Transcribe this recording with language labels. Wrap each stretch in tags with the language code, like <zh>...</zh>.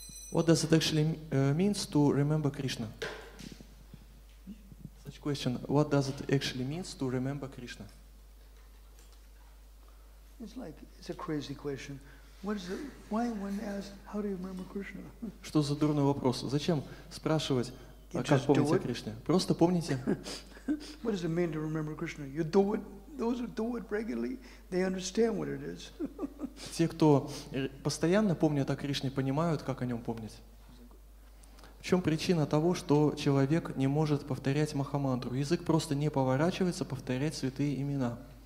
<en>What does it actually means to remember Krishna? Such question. What does it actually means to remember Krishna? It's like it's a crazy question. What is the, why one asks, how do you remember Krishna?</en> <ru>Что за дурной вопрос? Зачем спрашивать, а как помните о Кришне? Просто помните.</ru> <en>What does it mean to remember Krishna? You do it. Those who do it regularly, they understand what it is.</en> <ru>Те, кто постоянно помнят о Кришне, понимают, как о нем помнить. В чем причина того, что человек не может повторять Махамантру? Язык просто не поворачивается повторять святые имена.</ru>